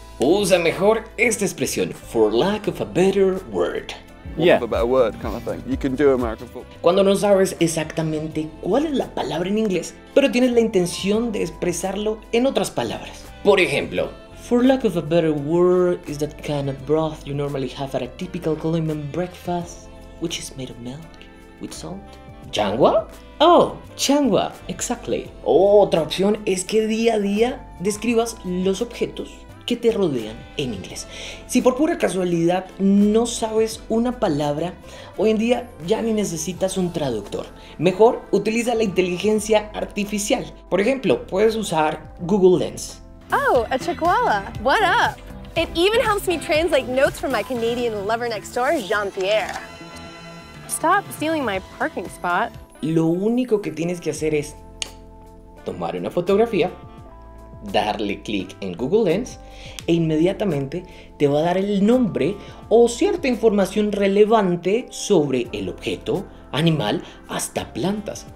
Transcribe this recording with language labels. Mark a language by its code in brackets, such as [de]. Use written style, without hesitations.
[es] Usa mejor esta expresión, [en] for lack of a better word. Yeah. A better word kind of thing. You can do American football. [es] Cuando no sabes exactamente cuál es la palabra en inglés, pero tienes la intención de expresarlo en otras palabras. Por ejemplo, [en] for lack of a better word is that kind of broth you normally have at a typical Colombian breakfast, which is made of milk with salt. [es] ¿Changua? [en] Oh, changua, exactly. [es] Otra opción es que día a día describas los objetos que te rodean en inglés. Si por pura casualidad no sabes una palabra, hoy en día ya ni necesitas un traductor. Mejor utiliza la inteligencia artificial. Por ejemplo, puedes usar Google Lens. [en] Oh, a chihuahua. What up? It even helps me translate notes from my Canadian lover next door, Jean-Pierre. Stop stealing my parking spot. [es] Lo único que tienes que hacer es tomar una fotografía, darle clic en Google Lens e inmediatamente te va a dar el nombre o cierta información relevante sobre el objeto, animal, hasta plantas.